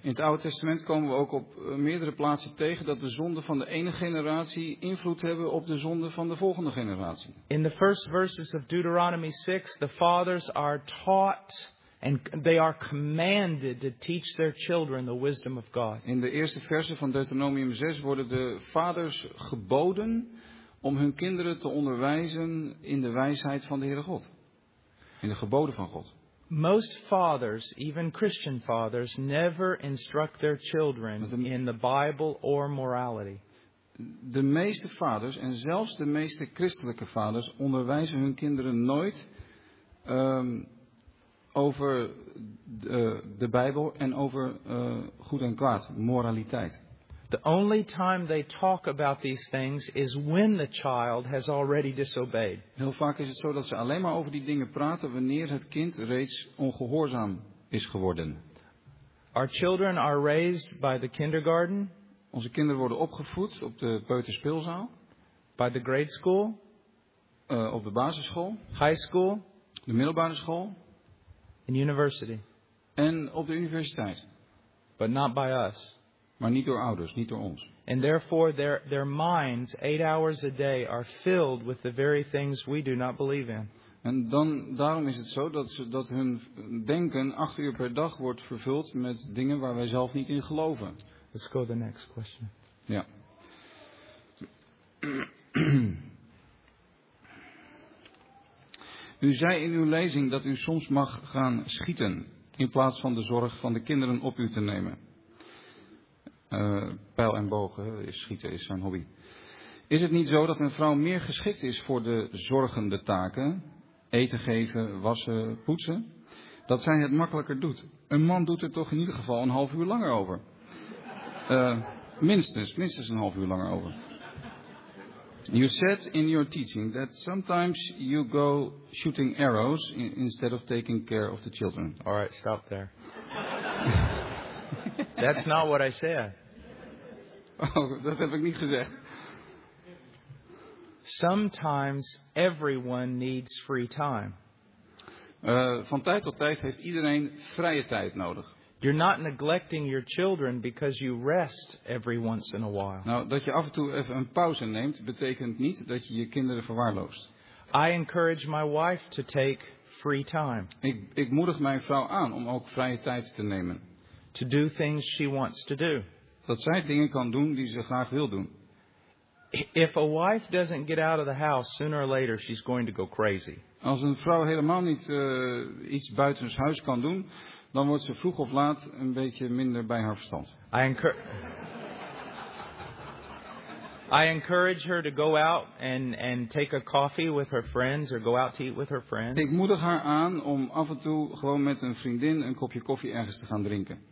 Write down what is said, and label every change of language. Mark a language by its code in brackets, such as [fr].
[nl] In het Oude Testament komen we ook op meerdere plaatsen tegen dat de zonden van de ene generatie invloed hebben op de zonden van de volgende generatie. [en] In the first verses of Deuteronomy 6, the fathers are taught and they are commanded to teach their children the wisdom of God. [nl] In de eerste verse van Deuteronomium 6 worden de vaders geboden om hun kinderen te onderwijzen in de wijsheid van de Heere God. In de geboden van God. [en] Most fathers, even Christian fathers, never instruct their children in the Bible or morality. [nl] De meeste vaders, en zelfs de meeste christelijke vaders, onderwijzen hun kinderen nooit over de Bijbel en over goed en kwaad, moraliteit. [en] The only time they talk about these things is when the child has already disobeyed. [nl] Heel vaak is het zo dat ze alleen maar over die dingen praten wanneer het kind reeds ongehoorzaam is geworden. [en] Our children are raised by the kindergarten. [nl] Onze kinderen worden opgevoed op de peuterspeelzaal. [en] By the grade school. [nl] Op de basisschool. [en] High school. [nl] De middelbare school. [en] And university. [nl] En op de universiteit. [en] But not by us. [nl] Maar niet door ouders, niet door ons. [en] And therefore their minds 8 hours a day are filled with the very things we do not believe in. [nl] En dan daarom is het zo dat hun denken 8 uur per dag wordt vervuld met dingen waar wij zelf niet in geloven. [en] Let's go to the next question. [nl] Ja. U zei in uw lezing dat u soms mag gaan schieten in plaats van de zorg van de kinderen op u te nemen. Pijl en bogen, schieten is zijn hobby. Is het niet zo dat een vrouw meer geschikt is voor de zorgende taken? Eten geven, wassen, poetsen? Dat zij het makkelijker doet. Een man doet er toch in ieder geval een half uur langer over. Minstens een half uur langer over. [en] You said in your teaching that sometimes you go shooting arrows instead of taking care of the children. All right, stop there. That's not what I said. [nl] Oh, dat heb ik niet gezegd. [en] Sometimes everyone needs free time. [nl] Van tijd tot tijd heeft iedereen vrije tijd nodig. [en] You're not neglecting your children because you rest every once in a while. [nl] Nou, dat je af en toe even een pauze neemt, betekent niet dat je je kinderen verwaarloost. [en] I encourage my wife to take free time. [nl] Ik moedig mijn vrouw aan om ook vrije tijd te nemen. [en] To do things she wants to do. [nl] Dat zij dingen kan doen die ze graag wil doen. [en] If a wife doesn't get out of the house sooner or later, she's going to go crazy. [nl] Als een vrouw helemaal niet iets buitens huis kan doen, dan wordt ze vroeg of laat een beetje minder bij haar verstand. [en] I encourage her to go out and take a coffee with her friends or go out to eat with her friends. [nl] Ik moedig haar aan om af en toe gewoon met een vriendin een kopje koffie ergens te gaan drinken.